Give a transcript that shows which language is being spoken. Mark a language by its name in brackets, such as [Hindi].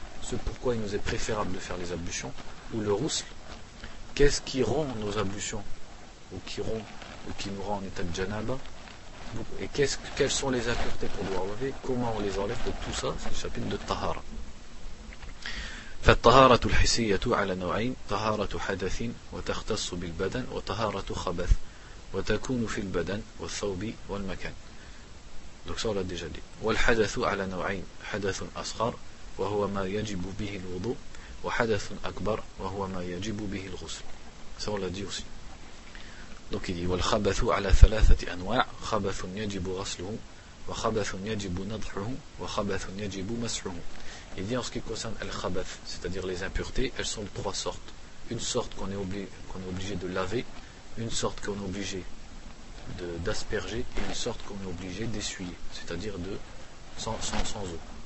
[French] Ce pourquoi il nous est préférable de faire les ablutions ou le rousl. Qu'est-ce qui rompt nos ablutions ou qui nous rend en état de janaba, et quelles sont les impuretés qu'on doit enlever, comment on les enlève. Donc tout ça, c'est le chapitre de Tahara. [Arabic] فالطهارة الحسية على نوعين: طهارة حدث وتختص بالبدن وطهارة خبث وتكون في البدن والثوب والمكان. [French] Donc ça on l'a déjà dit. [Arabic] والحدث على نوعين: حدث أصغر وهو ما يجب به الوضوء وحدث أكبر وهو ما يجب به الغسل. [French] Ça on l'a dit aussi. Donc il dit [Arabic] والخبث على ثلاثة أنواع: خبث يجب غسله وخبث يجب نضحه وخبث يجب مسحه. [French] Il dit en ce qui concerne الخبث, c'est-à-dire les impuretés, elles sont de trois sortes. Une sorte qu'on est obligé de laver, une sorte qu'on est obligé d'asperger et une sorte qu'on est obligé d'essuyer, c'est-à-dire de sans eau.